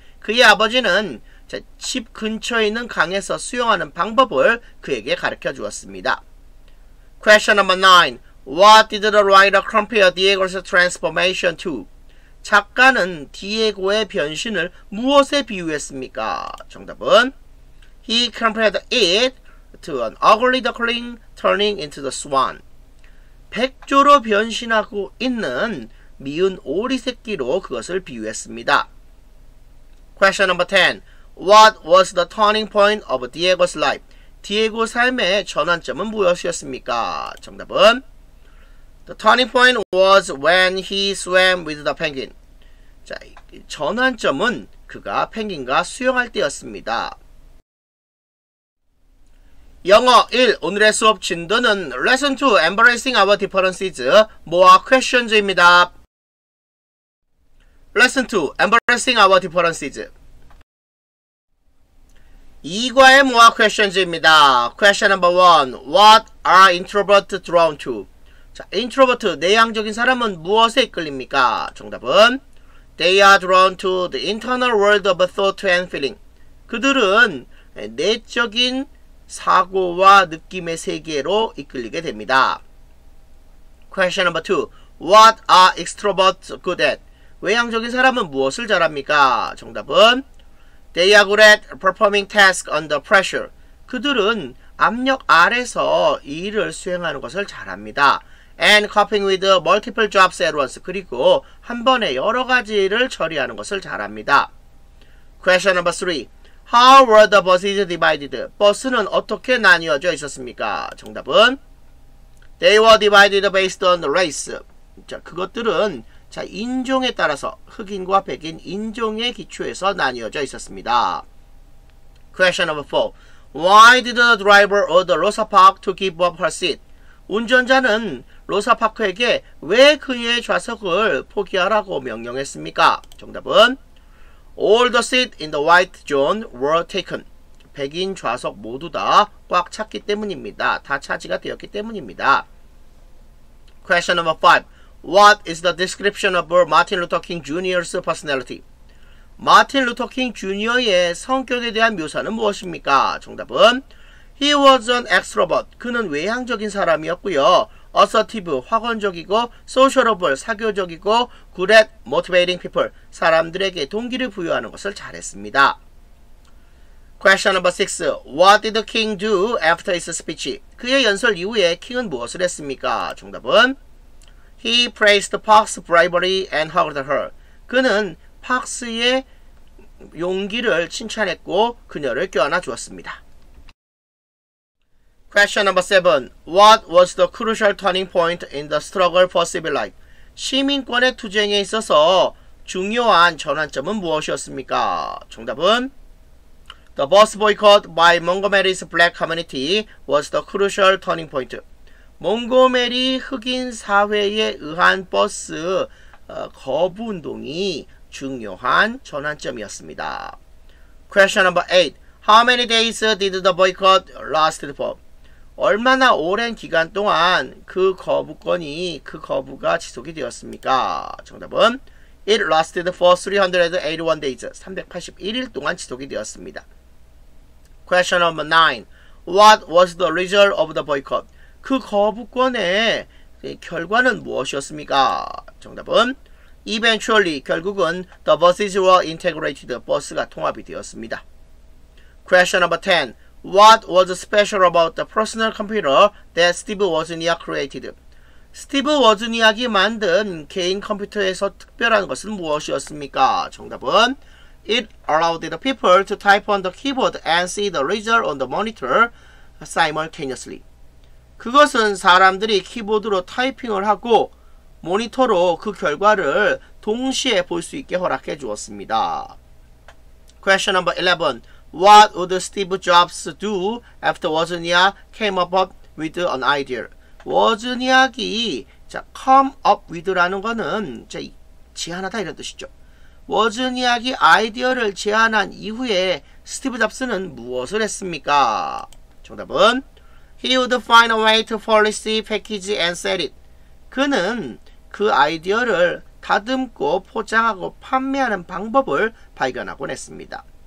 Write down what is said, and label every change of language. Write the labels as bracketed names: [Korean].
[Korean] 그의 아버지는 집 근처에 있는 강에서 수영하는 방법을 그에게 가르쳐 주었습니다. [English] Question number 9. What did the writer compare Diego's transformation to? [Korean] 작가는 디에고의 변신을 무엇에 비유했습니까? 정답은 [English] He compared it to an ugly duckling turning into the swan. [Korean] 백조로 변신하고 있는 미운 오리 새끼로 그것을 비유했습니다. [English] Question number 10. What was the turning point of Diego's life? [Korean] 디에고 삶의 전환점은 무엇이었습니까? 정답은 [English] The turning point was when he swam with the penguin. [Korean] 자, 전환점은 그가 펭귄과 수영할 때였습니다. 영어 1. 오늘의 수업 진도는 [English] Lesson 2. Embracing our differences. More questions입니다. Lesson 2. Embracing our differences. [Korean] 2과의 [English] More questions입니다. Question number 1. What are introverts drawn to? [Korean] 자, [English] introvert, [Korean] 내향적인 사람은 무엇에 이끌립니까? 정답은 [English] They are drawn to the internal world of thought and feeling. [Korean] 그들은 내적인 사고와 느낌의 세계로 이끌리게 됩니다. [English] Question number two. What are extroverts good at? [Korean] 외향적인 사람은 무엇을 잘합니까? 정답은 [English] They are good at performing tasks under pressure. [Korean] 그들은 압력 아래서 일을 수행하는 것을 잘합니다. [English] And coping with multiple jobs at once. [Korean] 그리고 한 번에 여러 가지를 처리하는 것을 잘합니다. [English] Question number three. How were the buses divided? [Korean] 버스는 어떻게 나뉘어져 있었습니까? 정답은 [English] They were divided based on race. [Korean] 자, 그것들은 자 인종에 따라서 흑인과 백인 인종의 기초에서 나뉘어져 있었습니다. [English] Question number four. Why did the driver order Rosa Parks to give up her seat? [Korean] 운전자는 로사 파크에게 왜 그의 좌석을 포기하라고 명령했습니까? 정답은 [English] All the seats in the white zone were taken. [Korean] 백인 좌석 모두 다 꽉 찼기 때문입니다. 다 차지가 되었기 때문입니다. [English] Question number 5. What is the description of Martin Luther King Jr.'s personality? [Korean] 마틴 루터 킹 주니어의 성격에 대한 묘사는 무엇입니까? 정답은 [English] He was an extrovert. [Korean] 그는 외향적인 사람이었고요. [English] Assertive, [Korean] 확언적이고, [English] sociable, [Korean] 사교적이고, [English] good at motivating people, [Korean] 사람들에게 동기를 부여하는 것을 잘했습니다. [English] Question number 6. What did King do after his speech? [Korean] 그의 연설 이후에 킹은 무엇을 했습니까? 정답은 [English] He praised Park's bravery and hugged her. [Korean] 그는 Park's의 용기를 칭찬했고 그녀를 껴안아 주었습니다. [English] Question number 7. What was the crucial turning point in the struggle for civil rights? [Korean] 시민권의 투쟁에 있어서 중요한 전환점은 무엇이었습니까? 정답은 [English] The bus boycott by Montgomery's black community was the crucial turning point. [Korean] 몽고메리 흑인 사회에 의한 버스 거부 운동이 중요한 전환점이었습니다. [English] Question number 8. How many days did the boycott last for? [Korean] 얼마나 오랜 기간 동안 그 거부가 지속이 되었습니까? 정답은 [English] It lasted for 381 days. [Korean] 381일 동안 지속이 되었습니다. [English] Question number 9. What was the result of the boycott? [Korean] 그 거부권의 결과는 무엇이었습니까? 정답은 [English] Eventually, [Korean] 결국은 [English] The buses were integrated. [Korean] 버스가 통합이 되었습니다. [English] Question number 10. What was special about the personal computer that Steve Wozniak created? [Korean] Steve Wozniak이 만든 개인 컴퓨터에서 특별한 것은 무엇이었습니까? 정답은 [English] It allowed the people to type on the keyboard and see the result on the monitor simultaneously. [Korean] 그것은 사람들이 키보드로 타이핑을 하고 모니터로 그 결과를 동시에 볼 수 있게 허락해 주었습니다. [English] Question number 11. What would Steve Jobs do after Wozniak came up with an idea? [Korean] Wozniak이 [English] come up with [Korean] 라는 거는 제안하다 이런 뜻이죠. Wozniak이 아이디어를 제안한 이후에 스티브 잡스는 무엇을 했습니까? 정답은 [English] He would find a way to policy, package and sell it. [Korean] 그는 그 아이디어를 다듬고 포장하고 판매하는 방법을 발견하곤 했습니다.